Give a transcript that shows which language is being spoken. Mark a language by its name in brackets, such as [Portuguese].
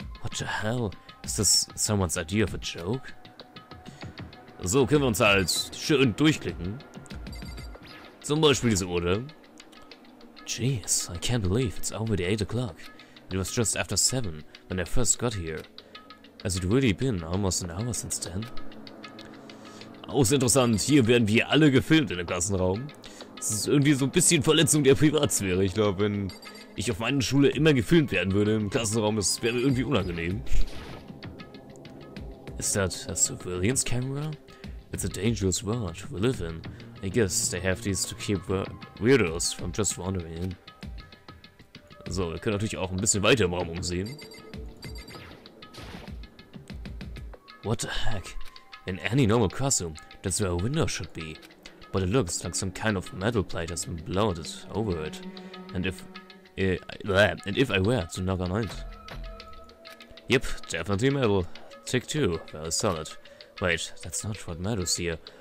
[English] What the hell? Is this someone's idea of a joke? [German] So können wir uns halt schön durchklicken. Zum Beispiel diese Uhr. [English] Jeez, I can't believe it's already 8 o'clock. It was just after 7 when I first got here. Has it really been almost an hour since then? [German] Auch sehr interessant, hier werden wir alle gefilmt in dem Klassenraum. Das ist irgendwie so ein bisschen Verletzung der Privatsphäre. Ich glaube, wenn ich auf meiner Schule immer gefilmt werden würde im Klassenraum, das wäre irgendwie unangenehm. [English] Is that a surveillance camera? It's a dangerous world we live in. I guess they have these to keep weirdos from just wandering in. [German] So, wir können natürlich auch ein bisschen weiter im Raum umsehen. [English] What the heck? In any normal classroom, that's where a window should be. But it looks like some kind of metal plate has been blown over it. And if I were to knock on it. Yep, definitely metal. Tick 2, very solid. Wait, that's not what matters here.